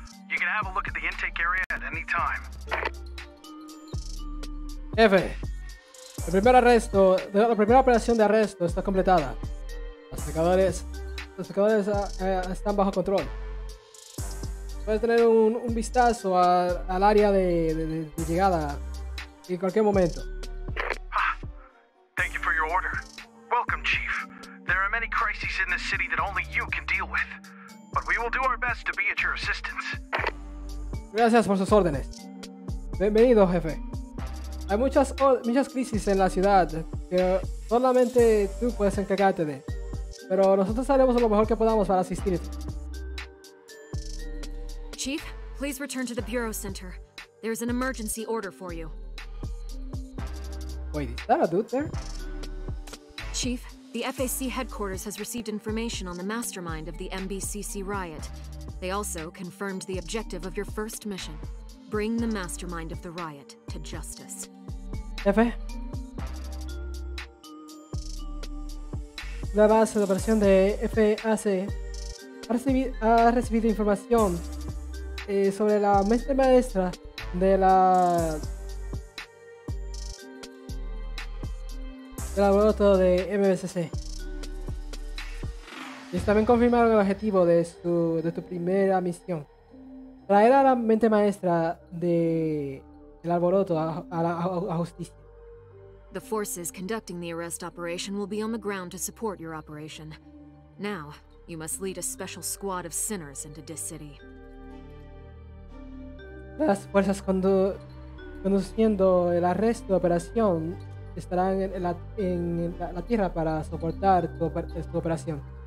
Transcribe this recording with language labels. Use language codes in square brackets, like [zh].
[en] You can have a look at the intake area at any time. [es] Jefe, el primer arresto, la primera operación de arresto está completada. Los pecadores están bajo control. Puedes tener un vistazo al área de llegada en cualquier momento. [en] Thank you for your order. Welcome, Chief. There are many crises in this city that only you can deal with, but we will do our best to be at your assistance. [es] Gracias por sus órdenes. Bienvenido, jefe. Hay muchas crisis en la ciudad que solamente tú puedes encargarte de, pero nosotros haremos lo mejor que podamos para asistirte. [en] Chief, please return to the Bureau Center. There's an emergency order for you. Wait, is that a dude there? Chief, the FAC headquarters has received information on the mastermind of the MBCC riot. They also confirmed the objective of your first mission. Bring the mastermind of the riot to justice. [es] Jefe, la base de operación de FAC ha recibido información sobre la mente maestra de la laboratorio de MBCC. Y también confirmaron el objetivo de tu primera misión. Traer a la mente maestra del alboroto a justicia. [en] The forces conducting the arrest operation will be on the ground to support your operation. Now, you must lead a special squad of sinners into this city. [es] Las fuerzas conduciendo el arresto de operación estarán en la tierra para soportar tu operación.